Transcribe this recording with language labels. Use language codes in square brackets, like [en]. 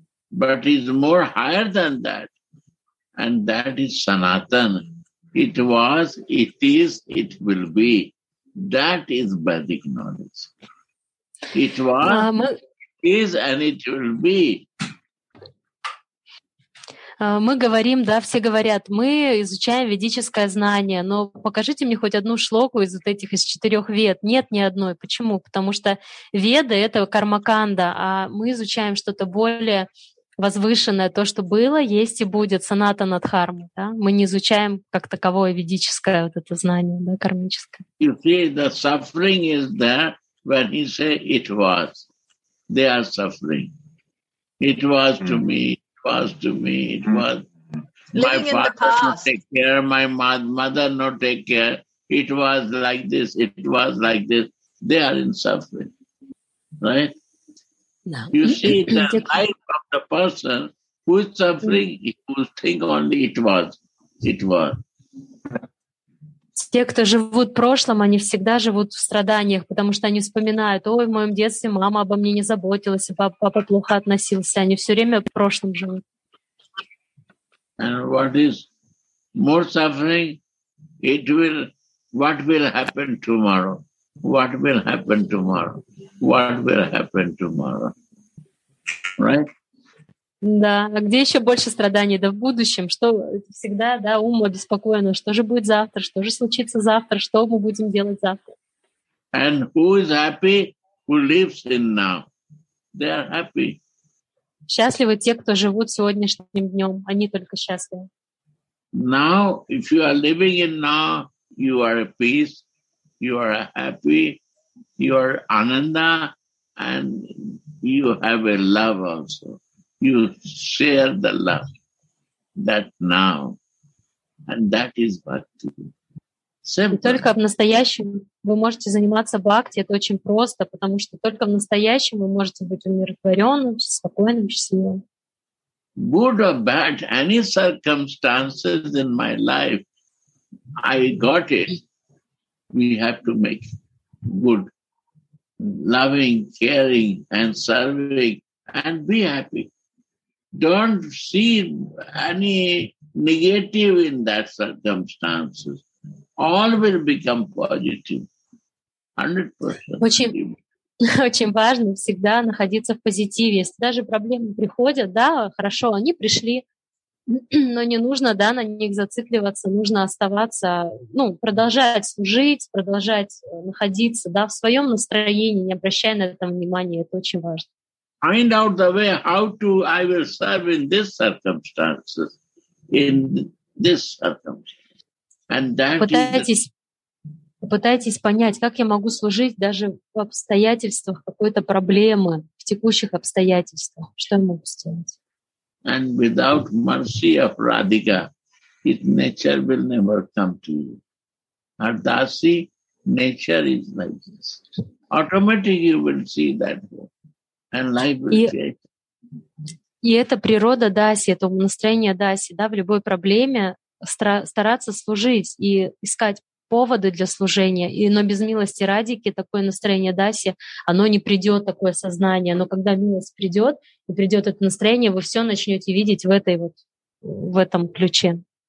[en] But is more higher than that. And that is Sanatana. It was, it is, it will be. That is Vedic knowledge. It was, it is, and it will be. [ru] Мы говорим, да, все говорят, мы изучаем ведическое знание, но покажите мне хоть одну шлоку из вот этих, из четырех вед. Нет ни одной. Почему? Потому что веды — это кармаканда, а мы изучаем что-то более возвышенное, то, что было, есть и будет, санатана дхарма. Да? Мы не изучаем как таковое ведическое вот это знание, да, кармическое. [en] You see, the suffering is there when you say it was. They are suffering. It was to me. Was to me, it was living my father not take care, my mother not take care. It was like this, it was like this. They are in suffering, right? No. You see, the life of the person who is suffering, who think only it was. [ru] Те, кто живут в прошлом, они всегда живут в страданиях, потому что они вспоминают, ой, в моем детстве мама обо мне не заботилась, папа плохо относился, они все время в прошлом живут. [en] And what is more suffering, it will, what will happen tomorrow? What will happen tomorrow? What will happen tomorrow? Right? [ru] Да, а где еще больше страданий? Да в будущем, что всегда, да, ум обеспокоен, что же будет завтра, что же случится завтра, что мы будем делать завтра? [en] And who is happy, who lives in now? They are happy. [ru] Счастливы те, кто живут сегодняшним днем, они только счастливы. [en] Now, if you are living in now, you are at peace, you are happy, you are ananda, and you have a love also. You share the love that now, and that is bhakti. Same. [ru] Только в настоящем вы можете заниматься бхакти. Это очень просто, потому что только в настоящем вы можете быть умиротворенным, спокойным, счастливым. [en] Good or bad, any circumstances in my life, I got it. We have to make good, loving, caring, and serving, and be happy. Don't see any negative in that circumstances. All will become positive. 100%. [ru] Очень важно всегда находиться в позитиве. Если даже проблемы приходят, да, хорошо, они пришли, но не нужно, да, на них зацикливаться, нужно оставаться, ну, продолжать служить, продолжать находиться, да, в своем настроении, не обращая на это внимания. Это очень важно. [en] Find out the way how to I will serve in this circumstances, in this circumstances, and that [ru] пытайтесь понять, как я могу служить даже в обстоятельствах какой-то проблемы, в текущих обстоятельствах, что я могу сделать. [en] And without mercy of Radhika, its nature will never come to you. Ardasi, nature is like this. automatically you will see that and life will change. [ru] И это природа даси, это настроение даси, да, в любой проблеме стараться служить и искать поводы для служения. И, но без милости Радики такое настроение даси, оно не придет, такое сознание. Но когда милость придет, и придет это настроение, вы все начнете видеть в этой вот, в этом ключе.